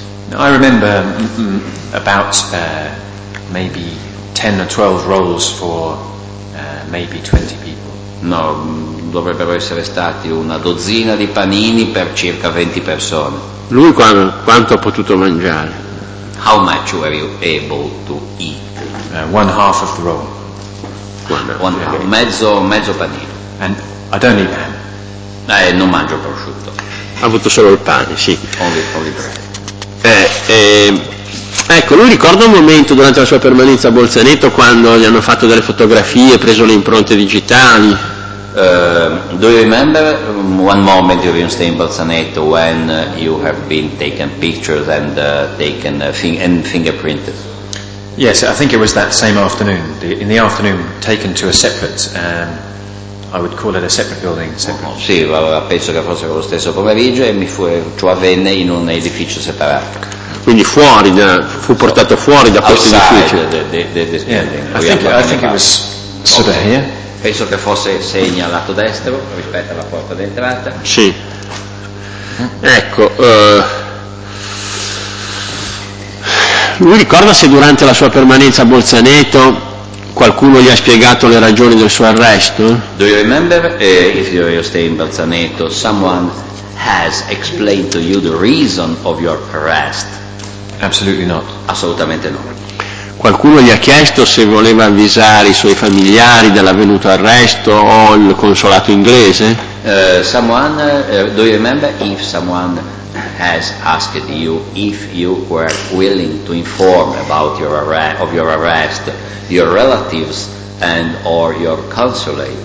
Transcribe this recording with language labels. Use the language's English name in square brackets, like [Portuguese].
[English] No, I remember about maybe 10 or 12 rolls for maybe 20 people. [Italian] No, dovrebbero essere stati una dozzina di panini per circa 20 persone. Lui quanto ha potuto mangiare? [English] How much were you able to eat? One half of the roll. [Italian] Mezzo panino. [English] And I don't eat ham. [Italian] Non mangio prosciutto. Ha avuto solo il pane, sì. [English] Only bread. [Italian] Ecco, lui ricorda un momento durante la sua permanenza a Bolzaneto quando gli hanno fatto delle fotografie, preso le impronte digitali. [English] Do you remember one moment you were staying in Bolzaneto when you have been taken pictures and taken and fingerprinted? Yes, I think it was that same afternoon. In the afternoon, taken to a separate, I would call it a separate building. [Italian] Sì, allora penso che fosse lo stesso pomeriggio e ciò avvenne in un edificio separato. Quindi fuori, fu portato fuori da questo edificio. [English] Outside the building. I think it was sort of here. [Italian] Penso che fosse segna lato destro rispetto alla porta d'entrata. Sì. Ecco. Lui ricorda se durante la sua permanenza a Bolzaneto qualcuno gli ha spiegato le ragioni del suo arresto? [English] Do you remember if you stay in Bolzaneto someone has explained to you the reason of your arrest? Absolutely not. [Italian] Assolutamente no. Qualcuno gli ha chiesto se voleva avvisare i suoi familiari dell'avvenuto arresto o il consolato inglese? [English] Someone, do you remember if someone has asked you if you were willing to inform about your arrest, your relatives and or your consulate?